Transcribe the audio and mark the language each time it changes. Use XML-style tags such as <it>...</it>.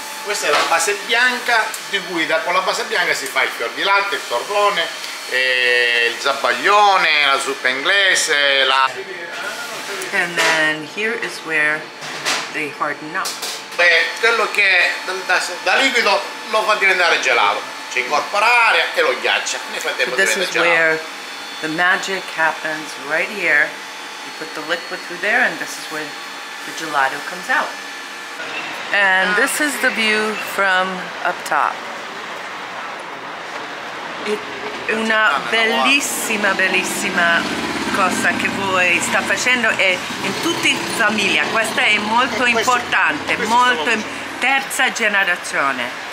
<it>Questa è la base bianca, di cui con la base bianca si fa il fior di latte, il torrone, il zabaglione, la zuppa inglese, la.</it> <en>And then here is where they harden up.</en> <it>Beh, quello che da liquido lo fa diventare gelato, cioè incorpora aria e lo ghiaccia, nel frattempo diventa gelato.</it> <en>This is where the magic happens, right here. You put the liquid through there and this is where the gelato comes out. And this is the view from up top.</en> <it>È una bellissima, bellissima cosa che voi sta facendo e in tutta la famiglia, questa è molto questo, importante, questo molto in terza generazione.</it>